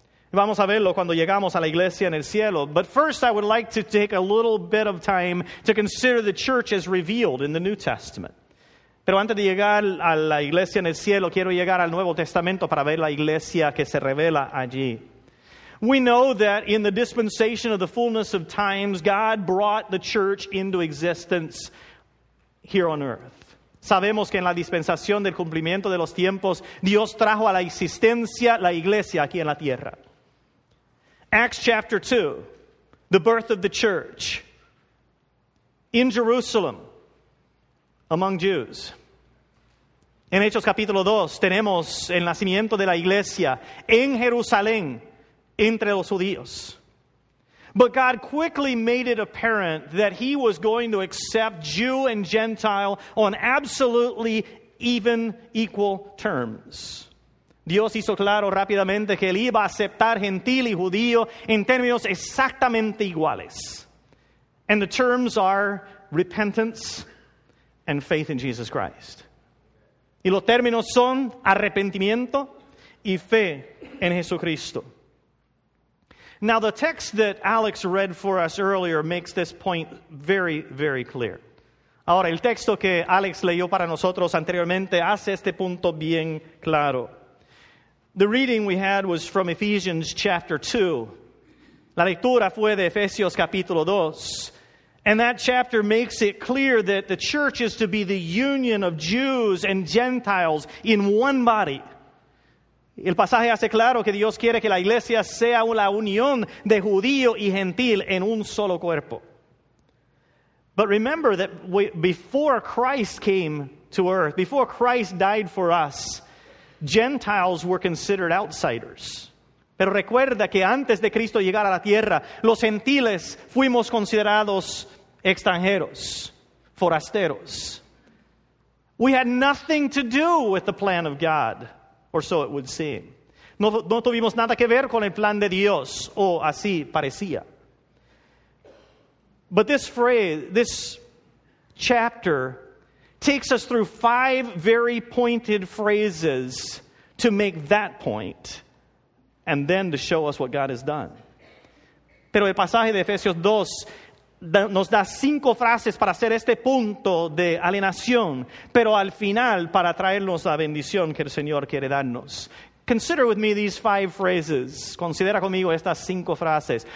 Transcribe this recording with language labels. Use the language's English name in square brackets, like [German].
[Spanish] Vamos a verlo cuando llegamos a la iglesia en el cielo. [English] But first, I would like to take a little bit of time to consider the church as revealed in the New Testament. [Spanish] Pero antes de llegar a la iglesia en el cielo, quiero llegar al Nuevo Testamento para ver la iglesia que se revela allí. [English] We know that in the dispensation of the fullness of times, God brought the church into existence here on earth. [Spanish] Sabemos que en la dispensación del cumplimiento de los tiempos, Dios trajo a la existencia la iglesia aquí en la tierra. [English] Acts chapter 2, the birth of the church in Jerusalem among Jews. [Spanish] En Hechos capítulo 2, tenemos el nacimiento de la iglesia en Jerusalén entre los judíos. [English] But God quickly made it apparent that He was going to accept Jew and Gentile on absolutely even equal terms. [Spanish] Dios hizo claro rápidamente que Él iba a aceptar gentil y judío en términos exactamente iguales. [English] And the terms are repentance and faith in Jesus Christ. [Spanish] Y los términos son arrepentimiento y fe en Jesucristo. [English] Now, the text that Alex read for us earlier makes this point very, very clear. [Spanish] Ahora, el texto que Alex leyó para nosotros anteriormente hace este punto bien claro. [English] The reading we had was from Ephesians chapter 2. [Spanish] La lectura fue de Efesios capítulo 2. [English] And that chapter makes it clear that the church is to be the union of Jews and Gentiles in one body. [Spanish] El pasaje hace claro que Dios quiere que la iglesia sea la unión de judío y gentil en un solo cuerpo. [English] But remember that before Christ came to earth, before Christ died for us, Gentiles were considered outsiders. [Spanish] Pero recuerda que antes de Cristo llegar a la tierra, los gentiles fuimos considerados extranjeros, forasteros. [English] We had nothing to do with the plan of God. Or so it would seem. [Spanish] No tuvimos nada que ver con el plan de Dios, o así parecía. [English] But this phrase, this chapter, takes us through five very pointed phrases to make that point, and then to show us what God has done. [Spanish] Pero el pasaje de Efesios 2 nos da cinco frases para hacer este punto de alienación, pero al final para traernos la bendición que el Señor quiere darnos. [English] Consider with me these five phrases. [Spanish] Considera conmigo estas cinco frases.